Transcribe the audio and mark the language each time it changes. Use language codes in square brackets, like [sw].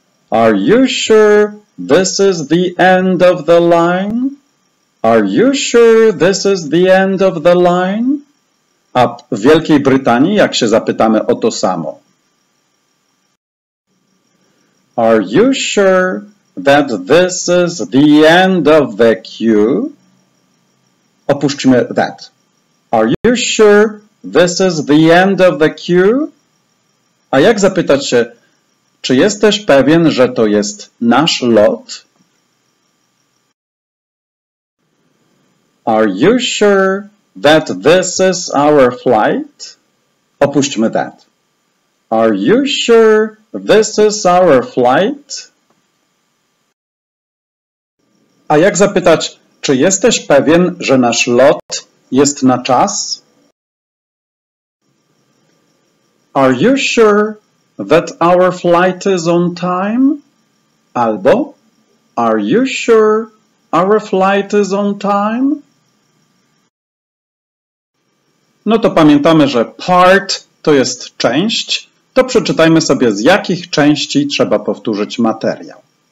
[en] Are you sure this is the end of the line? Are you sure this is the end of the line? [pl] A w Wielkiej Brytanii, jak się zapytamy o to samo? [en] Are you sure that this is the end of the queue? [pl] Opuśćmy that. [en] Are you sure this is the end of the queue? [pl] A jak zapytać się, czy jesteś pewien, że to jest nasz lot? [en] Are you sure that this is our flight? [pl] Opuśćmy that. [en] Are you sure this is our flight? [pl] A jak zapytać, czy jesteś pewien, że nasz lot jest na czas? [en] Are you sure that our flight is on time? [pl] Albo, [en] are you sure our flight is on time? [pl] No to pamiętamy, że part to jest część. To przeczytajmy sobie, z jakich części trzeba powtórzyć materiał.